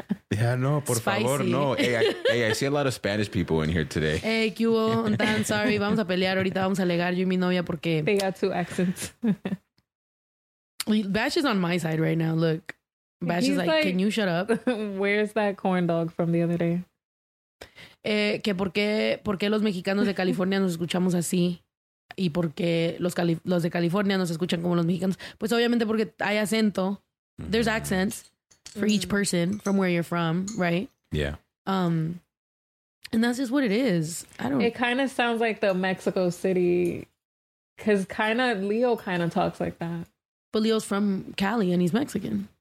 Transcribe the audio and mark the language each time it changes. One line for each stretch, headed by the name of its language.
English: Yeah, no,
Spanish: por
English: Spicy.
Spanish: Favor, no.
English: Hey, I see a lot of Spanish people in here today.
Spanish: Hey, ¿qué hubo?
English: I'm sorry.
Spanish: Vamos a pelear ahorita. Vamos a alegar yo y mi novia porque...
English: They got two accents. Bash is on my side right now. Look, Bash is like, can you shut up? Where's that corn dog from the other day?
Spanish: Que por qué los mexicanos de California nos escuchamos así y por qué los de California nos escuchan como los mexicanos. Pues obviamente porque hay acento.
English: There's accents for each person from where you're from, right? Yeah. And that's just what it is. It kind of sounds like the Mexico City, because Leo kind of talks like that. But Leo's from Cali and he's Mexican.